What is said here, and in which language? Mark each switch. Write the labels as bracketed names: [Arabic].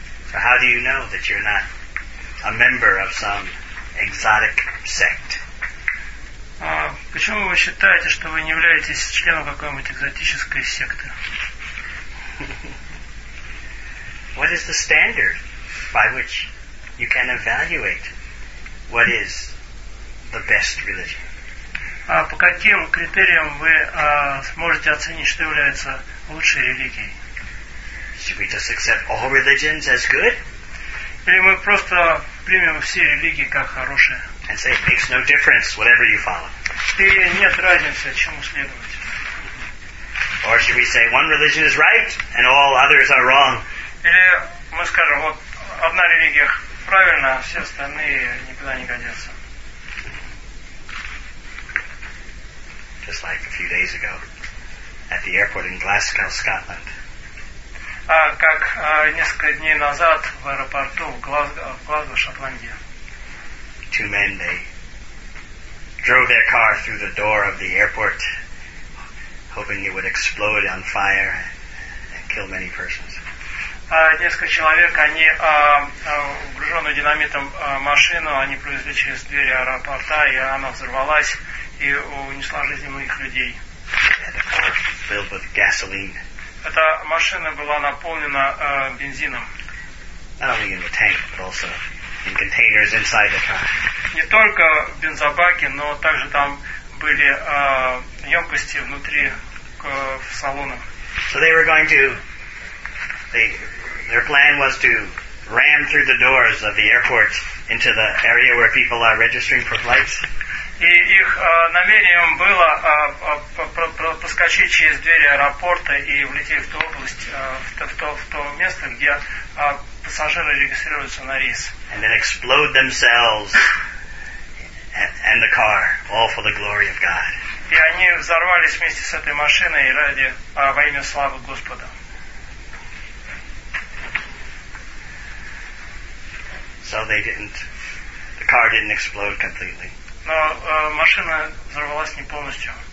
[English] So how do you know that you're not a member of some exotic sect? [Russian] Почему вы считаете, что вы не являетесь членом какой-нибудь экзотической секты? [English] What is the standard by which you can evaluate what is the best religion? [Russian] По каким критериям вы сможете оценить, что является лучшей религией? [English] Should we just accept all religions as good? [Russian] Или мы просто примем все религии как хорошие? [English] And say it makes no difference whatever you follow. [Russian] И нет разницы, чему следовать. [English] Or should we say one religion is right and all others are wrong? [Russian] Или мы скажем, вот одна религия правильна, а все остальные никуда не годятся. [English] Just like a few days ago at the airport in Glasgow, Scotland. [Russian] Как несколько дней назад в аэропорту в Глазго, Шотландия. [English] Two men, they drove their car through the door of the airport, hoping it would explode on fire and kill many persons. [Russian] Несколько человек, они вооруженную динамитом машину, они провезли через двери аэропорта, и она взорвалась и унесла жизни многих людей. [English] And the car filled with gasoline. [Russian] Эта машина была наполнена бензином. [English] Not only in the tank, but also in containers inside the car. [Russian] Не только бензобаки, но также там были емкости внутри салона. [English] So they were going to, their plan was to ram through the doors of the airport into the area where people are registering for flights. [Russian] И их намерением было проскочить через двери аэропорта и влететь в ту область, в то место, где пассажиры регистрируются на рейс. [English] And then explode themselves and the car, all for the glory of God. [Russian] И они взорвались вместе с этой машиной ради во имя славы Господа. [English] So they didn't. The car didn't explode completely. [Russian] Но машина взорвалась не полностью.